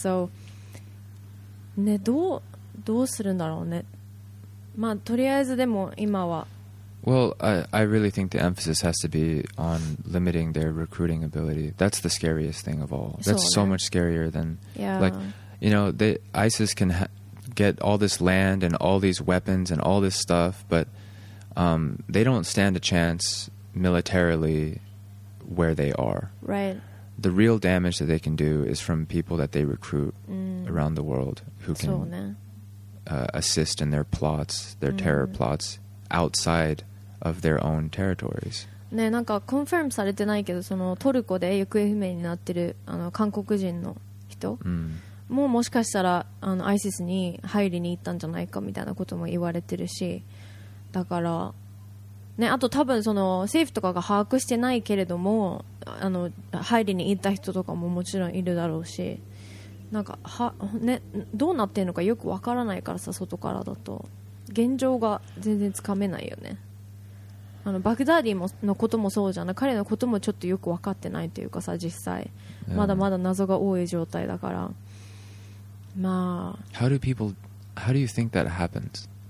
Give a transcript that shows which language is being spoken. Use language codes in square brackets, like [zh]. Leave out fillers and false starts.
[ja] So ね、どうするんだろうね。まあとりあえずでも今は [en] Well, I really think the emphasis has to be on limiting their recruiting ability. That's the scariest thing of all. That's so much scarier than, like, you know, the ISIS can get all this land and all these weapons and all this stuff, but they don't stand a chance militarily where they are. Right. The real damage that they can do is from people that they recruit around the world who can assist in their plots, their terror plots, outside of their own territories. [ja] ね、なんかコンフィームされてないけど、そのトルコで行方不明になってるあの韓国人の人ももしかしたらあの ISIS に入りに行ったんじゃないかみたいなことも言われてるし、だからね、あと多分その政府とかが把握してないけれども、あの入りに行った人とかももちろんいるだろうし、なんかは、ね、どうなってるのかよくわからないからさ、外からだと現状が全然つかめないよね。あのバグダーディのこともそうじゃない、彼のこともちょっとよく分かってないというかさ、実際まだまだ謎が多い状態だから。まあ [en] How do people How do you think that happens?